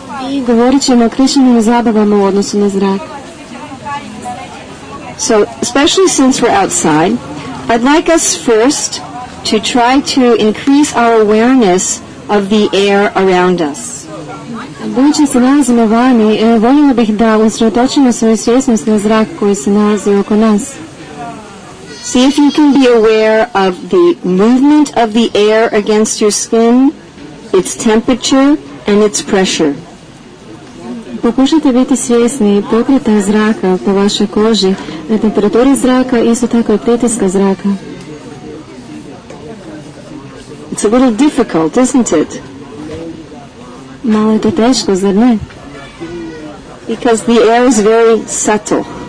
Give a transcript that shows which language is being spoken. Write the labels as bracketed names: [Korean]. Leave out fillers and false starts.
[Croatian] I govorit ćemo o Krišninim zabavama u odnosu na zrak. [English] So, especially since we're outside, I'd like us first to try to increase our awareness of the air around us. [Croatian] Budući se nalazimo vani, voljela bih da usredotočimo svoju svjesnost na zrak koji se nalazi oko nas. [English] See if you can be aware of the movement of the air against your skin, its temperature, and its pressure. [Croatian] Pokušajte biti svjesni pokreta zraka po vašoj koži, temperaturi zraka, isto tako i pritiska zraka. [English] It's a little difficult, isn't it? [Croatian] Malo je to teško, zar ne? [English] Because the air is very subtle.